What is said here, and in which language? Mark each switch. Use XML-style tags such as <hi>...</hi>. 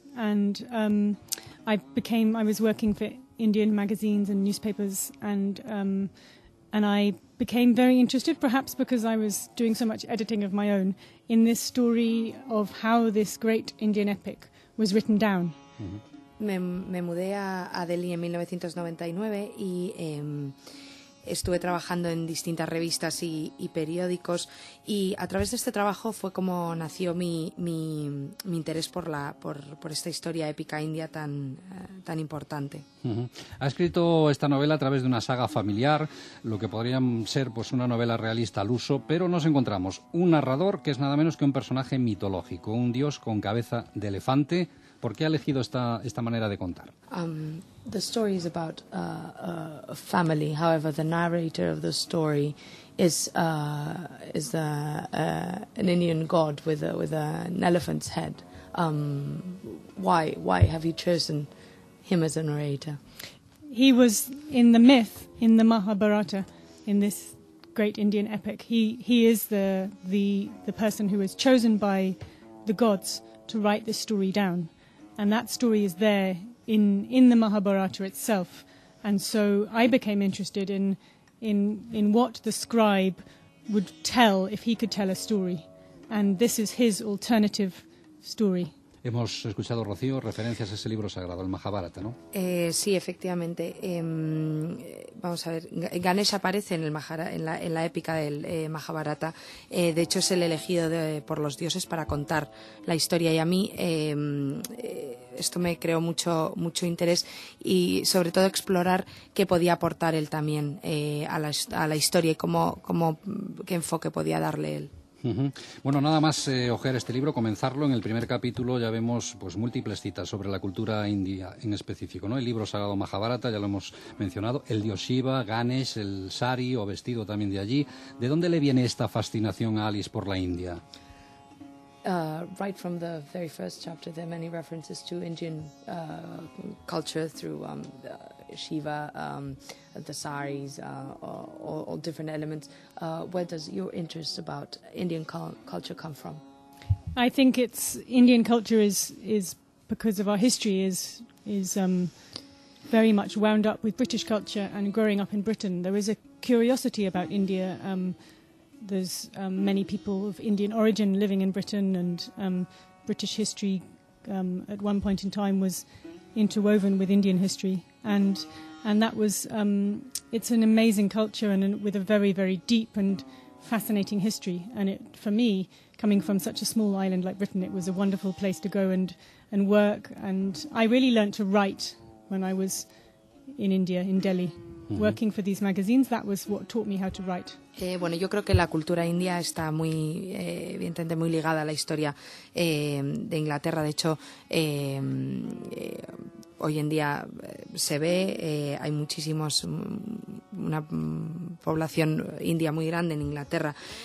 <en>And I was working for Indian magazines and newspapers, and I became very interested, perhaps because I was doing so much editing of my own, in this story of how this great Indian epic was written down. Mm-hmm.</en> <es>Me mudé a Delhi en 1999 y estuve trabajando en distintas revistas y periódicos, y a través de este trabajo fue como nació mi interés por esta historia épica india tan importante. Uh-huh. Ha escrito esta novela a través de una saga familiar, lo que podría ser pues una novela realista al uso, pero nos encontramos un narrador que es nada menos que un personaje mitológico, un dios con cabeza de elefante. ¿Por qué ha elegido esta manera de contar?</es> <en>The story is about a family. However, the narrator of the story is an Indian god with an elephant's head. Why have you chosen him as a narrator? He was in the myth, in the Mahabharata, in this great Indian epic. He is the person who was chosen by the gods to write this story down. And that story is there in the Mahabharata itself. And so I became interested in what the scribe would tell if he could tell a story. And this is his alternative story.</en> <es>Hemos escuchado, Rocío, referencias a ese libro sagrado, el Mahabharata, ¿no? Sí, efectivamente. Vamos a ver, Ganesh aparece en la épica del Mahabharata. De hecho, es el elegido por los dioses para contar la historia. Y a mí esto me creó mucho interés y, sobre todo, explorar qué podía aportar él también a la historia y cómo qué enfoque podía darle él. Bueno, nada más ojear este libro, comenzarlo. En el primer capítulo ya vemos pues múltiples citas sobre la cultura india en específico, ¿no? El libro sagrado Mahabharata, ya lo hemos mencionado, el dios Shiva, Ganesh, el sari o vestido también de allí. ¿De dónde le viene esta fascinación a Alice por la India?</es> <en>Right from the very first chapter, there are many references to Indian culture through Shiva, the saris, all different elements. Where does your interest about Indian culture come from? I think it's Indian culture is because of our history is very much wound up with British culture, and growing up in Britain, there is a curiosity about India. There's many people of Indian origin living in Britain, and British history at one point in time was interwoven with Indian history, and that was it's an amazing culture and with a very, very deep and fascinating history, and it, for me, coming from such a small island like Britain, it was a wonderful place to go and work. And I really learned to write when I was in India, in Delhi. Mm-hmm. Working for these magazines, that was what taught me how to write.</en> <es>Bueno, yo creo que la cultura india está muy, evidentemente, muy ligada a la historia de Inglaterra. De hecho, hoy en día se ve, hay muchísimos, una población india muy grande en Inglaterra.</es>